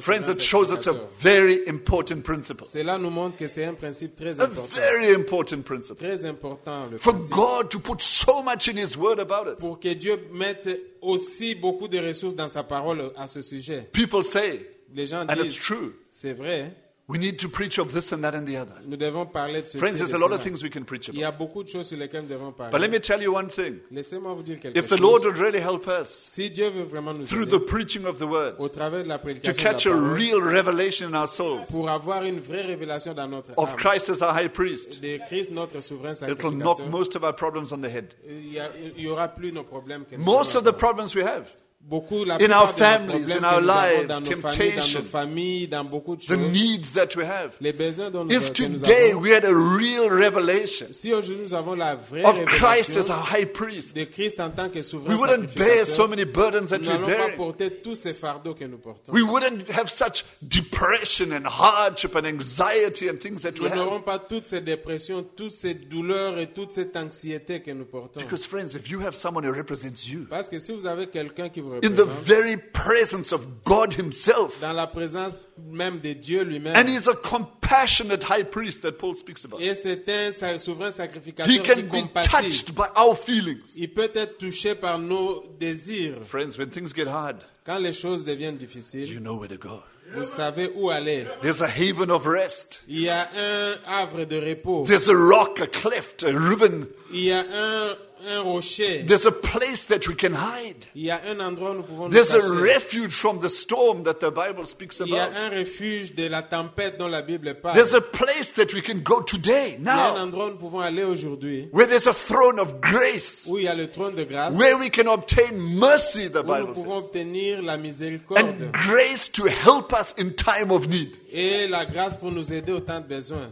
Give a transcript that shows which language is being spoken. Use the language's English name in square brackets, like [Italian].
[English] Friends, it shows it's a very important principle. [French] Cela nous montre que c'est un principe très important. [English] A very important principle. [French] Très important. [English] For God to put so much in His Word about it. [French] Pour que Dieu mette aussi beaucoup de ressources dans sa parole à ce sujet. [English] People say. [French] Les gens [English] and [French] disent. [English] And it's true. [French] C'est vrai. [English] We need to preach of this and that and the other. [French] Nous devons parler de ceci. [English] Friends, there's a lot of things we can preach about. [French] Il y a beaucoup de choses sur lesquelles nous devons parler. [English] But let me tell you one thing. [French] Laissez-moi vous dire quelque [English] chose. If the Lord would really help us, [French] si Dieu veut vraiment nous [English] through [French] aider, [English] the preaching of the word, [French] au travers de la prédication [English] to catch [French] de la [English] a real revelation in our souls, [French] pour avoir une vraie révélation dans notre âme, [English] of Christ as our high priest, [French] de Christ notre souverain sacrificateur, [English] it'll knock most of our problems on the head. [French] Il y aura plus nos problèmes que nous. [English] Most of the problems we have. [French] Beaucoup, [English] in our families, in our lives, temptation, the needs that we have. If today we had a real revelation of Christ as our high priest, we wouldn't bear so many burdens that we bear. We wouldn't have such depression and hardship and anxiety and things that we have. [French] Nous n'aurons pas toutes ces dépressions, toutes ces douleurs et toute cette anxiété que nous portons. [English] Because friends, if you have someone who represents you, [French] parce que si vous avez quelqu'un qui vous [English] in the very presence of God himself. [French] Dans la présence même de Dieu lui-même. [English] And he's a compassionate high priest that Paul speaks about. [French] Et c'est un souverain sacrificateur [English] he can [French] qui [English] be [French] compatit. [English] Touched by our feelings. [French] Il peut être touché par nos désirs. [English] Friends, when things get hard, [French] quand les choses deviennent difficiles, [English] you know where to go. [French] Vous savez où aller. [English] There's a haven of rest. [French] Il y a un havre de repos. [English] There's a rock, a cleft, a riven. [French] Il y a un rocher. [English] There's a place that we can hide. [French] Il y a un endroit où nous pouvons [English] There's [French] nous cacher. [English] A refuge from the storm that the Bible speaks about. [French] Il y a un refuge de la tempête dont la Bible parle. [English] There's a place that we can go today, now. [French] Il y a un endroit où nous pouvons aller aujourd'hui. [English] Where there's a throne of grace. [French] Où il y a le trône de grâce. [English] Where we can obtain mercy, the Bible says. [French] Où nous pouvons obtenir la miséricorde. [English] And grace to help us in time of need. [French] Et la grâce pour nous aider au temps de besoin.